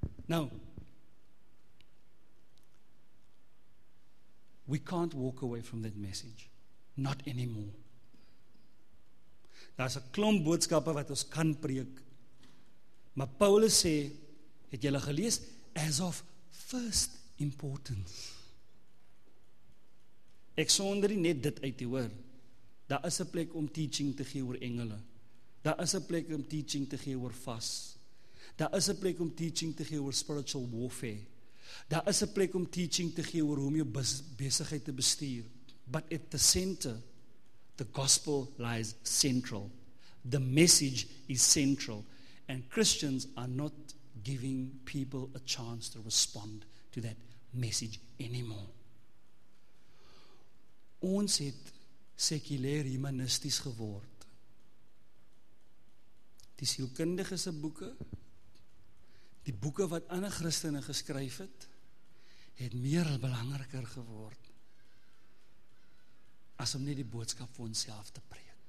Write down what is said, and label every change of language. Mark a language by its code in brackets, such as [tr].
[en] Now, we can't walk away from that message. Not anymore. [af] Daar is 'n klomp boodskappe wat ons kan preek. Maar Paulus sê, het julle gelees, [en] as of first importance. [af] Ek sonder nie net dit uit te hoor. Daar is 'n plek om teaching te gee oor engele. Daar is 'n plek om teaching te gee oor vas. Daar is 'n plek om teaching te gee oor spiritual warfare. Daar is 'n plek om teaching te gee oor hoe om jou besigheid te bestuur. [en] But at the center, the gospel lies central. The message is central. And Christians are not giving people a chance to respond to that message anymore. [af] Ons het sekulêr humanisties geword. Die sielkundige se boeke, die boeke wat ander Christene geskryf het, het meer belangriker geword as om net die boodskap vir onsself te preek.